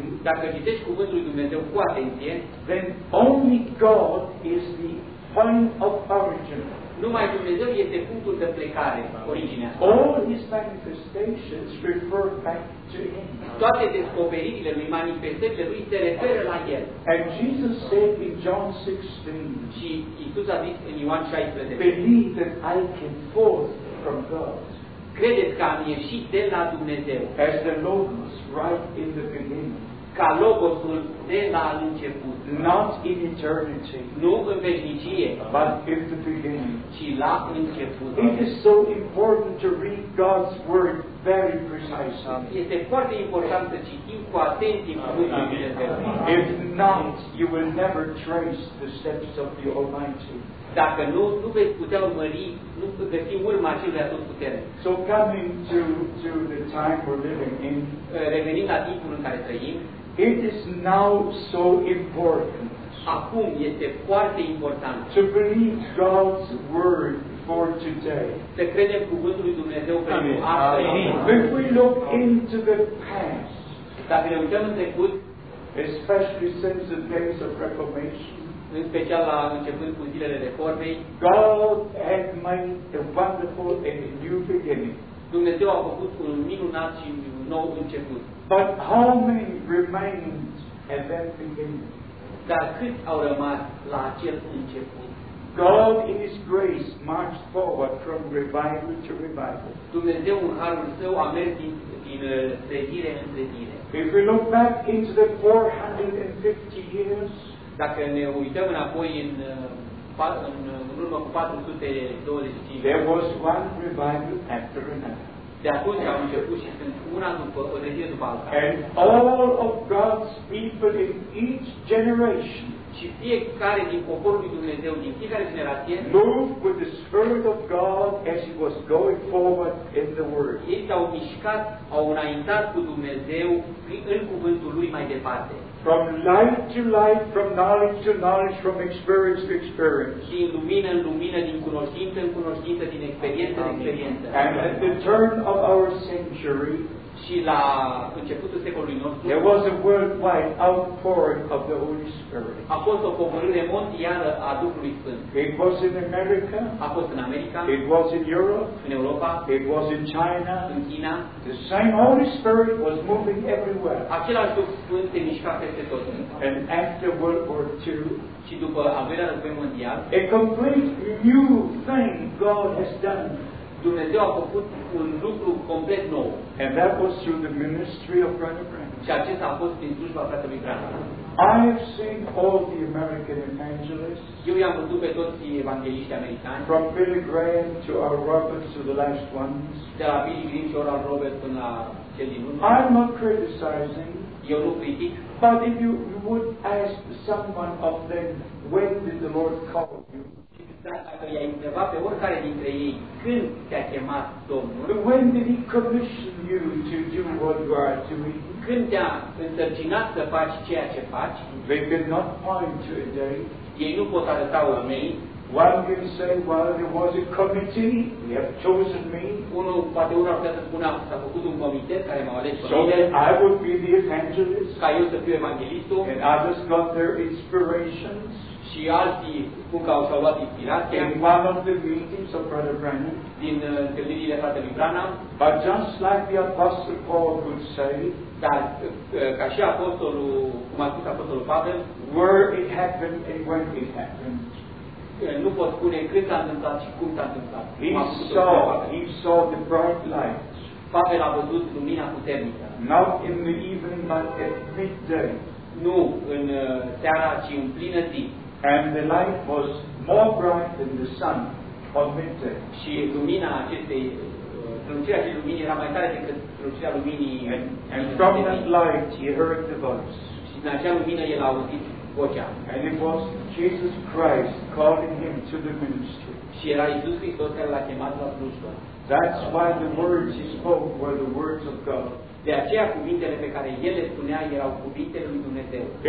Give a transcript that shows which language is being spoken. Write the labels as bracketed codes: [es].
[ro] Dacă citești cuvântul lui Dumnezeu cu atenție, [en] then only God is the point of origin. [ro] Numai Dumnezeu este punctul de plecare, originea. [en] All his manifestations refer back to him. [ro] Toate descoperirile lui, manifestările lui, se referă la el. [en] And Jesus said in John 16, [ro] și Iisus a zis în Ioan 16, [en] believe that I came forth from God. [ro] Credeți că am ieșit de la Dumnezeu. [en] As the Logos, right in the beginning. [ro] Ca Logosul de la început. [en] Not in eternity. [ro] Nu în veșnicie. [en] But in the beginning. [ro] Ci la început. [en] It is so important to read God's word very precisely. [ro] Este foarte important să citim cu atenție cuvântul lui Dumnezeu. [en] If not, you will never trace the steps of the Almighty. [ro] Dacă nu, nu vei putea urmări, nu vei găsi urma celui atotputernic. [en] So coming to the time we're living in, [ro] revenind la timpul în care trăim, [en] it is now so important. [ro] Acum este foarte important. [en] To believe God's word for today. [ro] Să credem cuvântul lui Dumnezeu pentru astăzi. [en] If we look into the past, [ro] dacă ne uităm în trecut, [en] especially since the days of Reformation, [ro] în special la începând cu zilele reformei, [en] God had made a wonderful and a new beginning. [ro] Dumnezeu a făcut un minunat și un nou început. [en] But how many remained at that beginning? [ro] Dar cât au rămas la acel început? [en] God in his grace marched forward from revival to revival. [ro] Dumnezeu în harul său a mers din trezire în trezire. [en] If we look back into the 450 years, [ro] dacă ne uităm înapoi în urmă cu 425, [en] there was one revival after another. [ro] De atunci au început și sunt una după o trezire după alta. [en] And all of God's people in each generation, [ro] și fiecare din poporul lui Dumnezeu din fiecare generație, [en] moved with the Spirit of God as he was going forward in the Word. [ro] Ei s-au mișcat, au înaintat cu Dumnezeu în cuvântul lui mai departe. [en] From light to light, from knowledge to knowledge, from experience to experience. [ro] Din lumină în lumină, din cunoștință în cunoștință, din experiență în experiență. [en] And at the turn of our century, [ro] și la începutul secolului nostru, [en] there was a worldwide outpouring of the Holy Spirit. [ro] A fost o pogorâre mondială a Duhului Sfânt. [en] It was in America. [ro] A fost în America. [en] It was in Europe. [ro] În Europa. [en] It was in China. [ro] În China. [en] The same Holy Spirit was moving everywhere. [ro] Același Duh Sfânt se mișca peste tot. [en] And after World War II, [ro] și după al doilea război mondial, [en] a complete new thing God has done. [ro] Dumnezeu a făcut un lucru complet nou. [en] And that was through the ministry of Brother Branham. [ro] Și acesta a fost prin slujba fratelui Branham. [en] I have seen all the American evangelists. [ro] Eu i-am văzut pe toți evangeliștii americani. [en] From Billy Graham to Oral Roberts to the last ones. [ro] De la Billy Graham și Oral Roberts până cel din urmă. [en] I'm not criticizing. [ro] Eu nu critic. [en] But if you would ask someone of them, when did the Lord call you? [ro] Dacă i-ai întrebat pe oricare dintre ei când te-a chemat Domnul? [en] When did he commission you to do what you are doing? [ro] Când te-a însărcinat să faci ceea ce faci? [en] They could not point to a day. [ro] Ei nu pot arăta o zi. [en] One can say, well, there was a committee, they have chosen me. [ro] Unul poate unul ar putea să spună, s-a făcut un comitet care m-a ales pe mine. [en] So I would be the evangelist. [ro] Ca eu să fiu evanghelistul. [en] And others got their inspirations. [ro] Și alții spun că au s-au luat inspirația. [en] In one of the meetings of Brother Branham. [ro] Din întâlnirile fratelui Branham. [en] But just like the Apostle Paul would say. [ro] Dar ca și apostolul, cum a spus apostolul Pavel. [en] Where it happened and when it happened. [ro] Nu pot spune când s-a întâmplat și cum s-a întâmplat. [en] He saw the bright light. [ro] Pavel a văzut lumina puternică. [en] Not in the evening, but at midday. [ro] Nu în seara, ci în plină zi. [en] And the light was more bright than the sun on midday. [ro] Și lumina acestei, strălucirea acestei lumini era mai tare decât strălucirea luminii. [en] And from that light he heard the voice. [ro] Și din acea lumină el a auzit vocea. [en] And it was Jesus Christ calling him to the ministry. [ro] Și era Iisus Hristos care l-a chemat la slujbă. [en] That's why the words he spoke were the words of God. [ro] De aceea cuvintele pe care el le spunea erau cuvintele lui Dumnezeu.